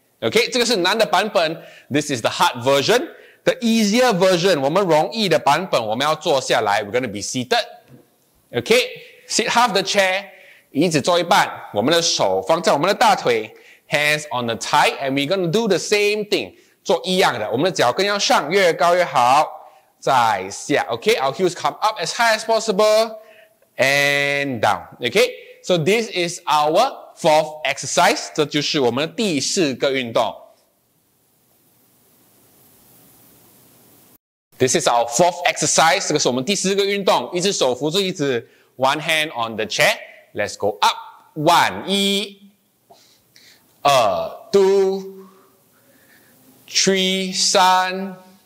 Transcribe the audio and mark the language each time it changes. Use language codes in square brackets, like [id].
[en] Okay, [zh] 这个是难的版本, [en] this is the hard version. The easier version, [zh] 我们容易的版本, 我们要坐下来, [en] we're going to be seated. Okay, sit half the chair, [zh] 椅子坐一半, 我们的手放在我们的大腿, [en] hands on the thigh, and we're gonna do the same thing. [zh] 做一样的，我们的脚跟要上，越高越好。再下 ，okay. [en] Our heels come up as high as possible, and down. Okay. So this is our fourth exercise. [zh] 这就是我们的第四个运动。 [en] This is our fourth exercise. [zh] 这个是我们第四个运动。一只手扶住椅子 [en] ，one hand on the chair. Let's go up. One, [zh] 一、二、 [en] two、three、 [zh] 三。